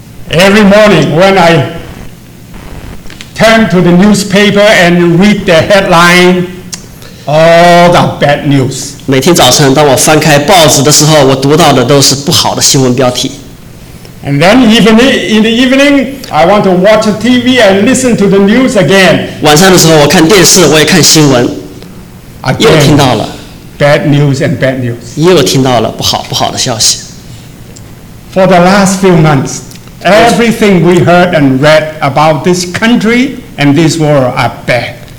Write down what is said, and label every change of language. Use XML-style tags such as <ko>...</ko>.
<en>Every morning when I turn to the newspaper and read the headline, all the bad news.</en> <zh>每天早晨，当我翻开报纸的时候，我读到的都是不好的新闻标题。</zh> <en>And then in the evening, I want to watch TV and listen to the news again.</en> <zh>晚上的时候，我看电视，我也看新闻，又听到了</zh> <en>bad news and bad news.</en> <zh>又听到了不好的消息。</zh> <en>For the last few months, everything we heard and read about this country and this world are bad.</en>